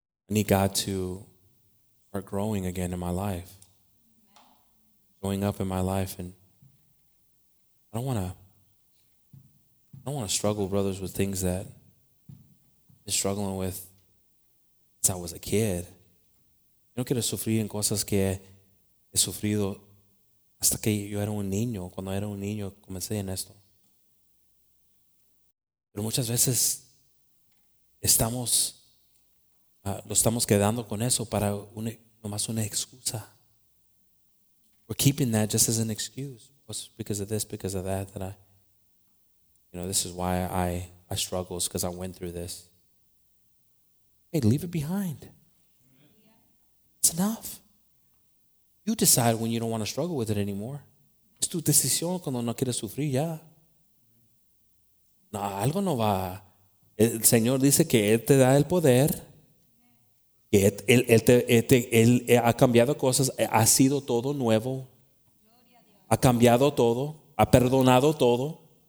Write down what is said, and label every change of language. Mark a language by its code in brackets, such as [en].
[en] I need God to are growing again in my life. growing up in my life, and I don't want to struggle, brothers, with things that I'm struggling with since I was a kid. [es] Yo no quiero sufrir en cosas que he sufrido hasta que yo era un niño. Cuando era un niño, comencé en esto. Pero muchas veces lo estamos quedando con eso para nomás una excusa. [en] We're keeping that just as an excuse. It's because of this, because of that, that this is why I struggle, is because I went through this. Hey, leave it behind. It's enough. You decide when you don't want to struggle with it anymore. [es] Es tu decisión cuando no quieres sufrir, ya. No, algo no va. El Señor dice que Él te da el poder. Que Él ha cambiado cosas. Ha sido todo nuevo. Ha cambiado todo. Ha perdonado todo.